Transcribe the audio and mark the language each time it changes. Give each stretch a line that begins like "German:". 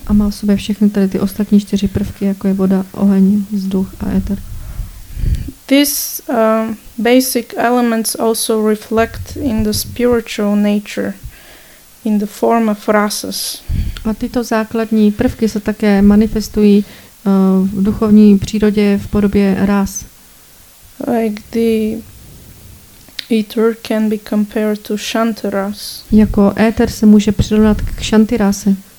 Czech: A má v sobě všechny tady ty ostatní čtyři prvky, jako je voda, oheň, vzduch a éter.
English: These basic elements also reflect in the spiritual nature in the form of rasas.
Czech: A tyto základní prvky se také manifestují v duchovní přírodě v podobě ras.
English: Like the ether can be compared to shantiras.
Czech: Jako éter se může přirovnat k shantirase.